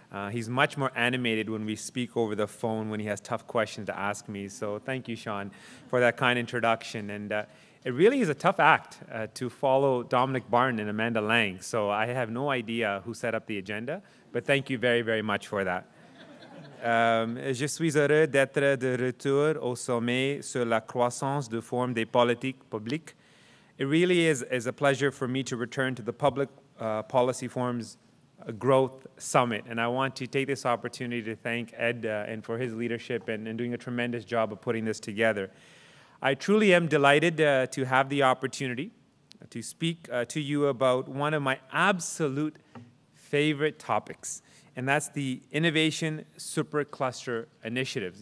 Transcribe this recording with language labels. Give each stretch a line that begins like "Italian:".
English: He's much more animated when we speak over the phone when he has tough questions to ask me. So thank you, Sean, for that kind introduction. And it really is a tough act to follow Dominic Barton and Amanda Lang. So I have no idea who set up the agenda, but thank you very, very much for that.
French: Je suis heureux d'être de retour au sommet sur la croissance de forme des politiques publiques.
English: It really is a pleasure for me to return to the public policy forums growth summit, and I want to take this opportunity to thank Ed and for his leadership and doing a tremendous job of putting this together. I truly am delighted to have the opportunity to speak to you about one of my absolute favorite topics, and that's the Innovation Supercluster Initiatives.